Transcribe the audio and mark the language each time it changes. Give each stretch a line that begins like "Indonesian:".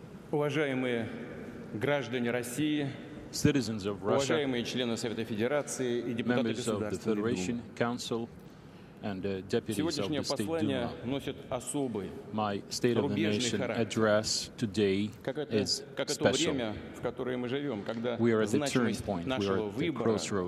Russian: Уважаемые граждане России,
English: citizens of Russia,
Russian: уважаемые члены Совета Федерации и депутаты Государственной Думы, сегодняшнее послание носит особый,
English: my State of the Nation address today is special.
Russian: В которое мы живем, когда значимость нашего выбора,